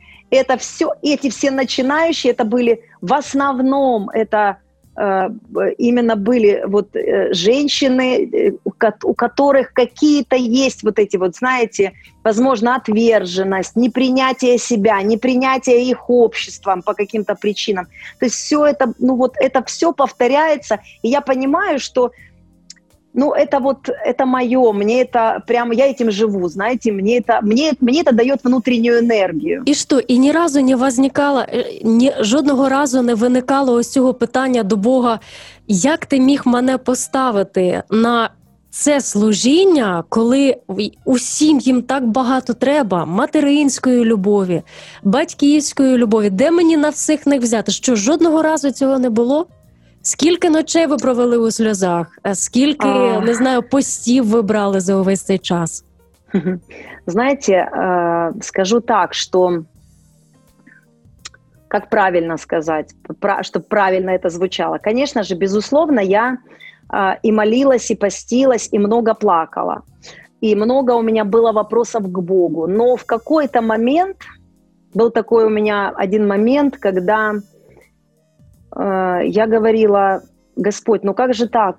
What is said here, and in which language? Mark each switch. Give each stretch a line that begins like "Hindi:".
Russian: Это все, эти все начинающие, это были в основном, это именно были вот женщины, у которых какие-то есть вот эти вот, знаете, возможно, отверженность, непринятие себя, непринятие их обществом по каким-то причинам. То есть все это, ну вот это все повторяется, и я понимаю, что, ну это вот, это мое, мне это прямо, я этим живу, знаете, мне это дает внутреннюю энергию. И что, и ни разу не возникало,
Ukrainian: жодного разу не виникало ось цього питання до Бога: як ти міг мене поставити на це служіння, коли усім їм так багато треба материнської любові, батьківської любові, де мені на всіх них взяти? Що, жодного разу цього не було? Скільки ночей ви провели у сльозах? Скільки, не знаю, постів ви брали за увесь цей час? Знаєте, скажу так, що, як правильно сказати, щоб правильно це звучало. Звісно ж,
Russian: безусловно, я и молилась, и постилась, и много плакала. И много у меня было вопросов к Богу. Но в какой-то момент, был такой у меня один момент, когда я говорила: Господь, ну как же так?